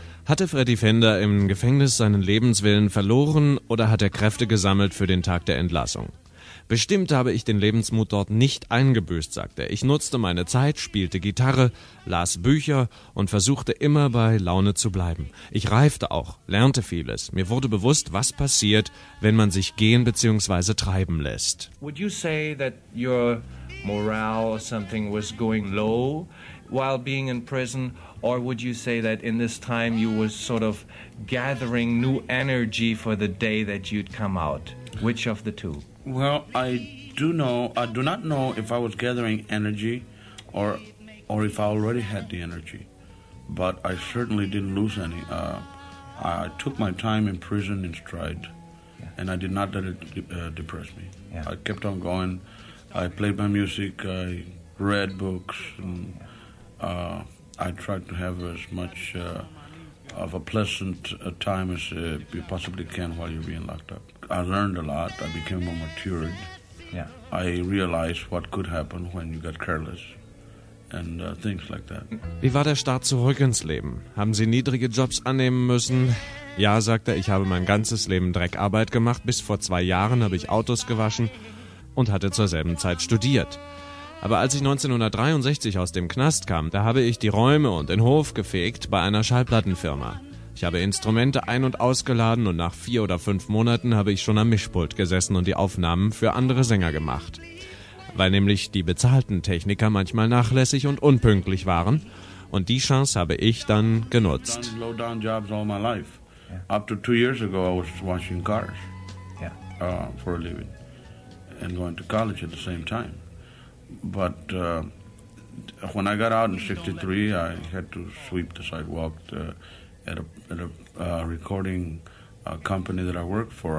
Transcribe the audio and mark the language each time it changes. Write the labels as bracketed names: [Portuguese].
[German] Hatte Freddy Fender im Gefängnis seinen Lebenswillen verloren oder hat er Kräfte gesammelt für den Tag der Entlassung? Bestimmt habe ich den Lebensmut dort nicht eingebüßt, sagt er. Ich nutzte meine Zeit, spielte Gitarre, las Bücher und versuchte immer bei Laune zu bleiben. Ich reifte auch, lernte vieles. Mir wurde bewusst, was passiert, wenn man sich gehen bzw. treiben lässt. [English] Would you say that your morale or something was going low while being in prison? Or would you say that in this time you were sort of gathering new energy for the day that you'd come out? Which of the two? Well, I do not know if I was gathering energy or if I already had the energy, but I certainly didn't lose any. I took my time in prison in stride, and I did not let it depress me. Yeah. I kept on going. I played my music, I read books, and I tried to have as much of a pleasant time as you possibly can while you're being locked up. I learned a lot. I became more matured. Yeah. I realized what could happen when you got careless and things like that. [German] Wie war der Start zurück ins Leben? Haben Sie niedrige Jobs annehmen müssen? Ja, sagte er, ich habe mein ganzes Leben Dreckarbeit gemacht. Bis vor 2 Jahren habe ich Autos gewaschen und hatte zur selben Zeit studiert. Aber als ich 1963 aus dem Knast kam, da habe ich die Räume und den Hof gefegt bei einer Schallplattenfirma. Ich habe Instrumente ein- und ausgeladen und nach 4 oder 5 Monaten habe ich schon am Mischpult gesessen und die Aufnahmen für andere Sänger gemacht. Weil nämlich die bezahlten Techniker manchmal nachlässig und unpünktlich waren und die Chance habe ich dann genutzt. [English] I've done low-down jobs all my life. Yeah. Up to 2 years ago I was washing cars. Yeah. For a living. And going to college at the same time. But when I got out in 63, I had to sweep the sidewalk at a recording company that I worked for.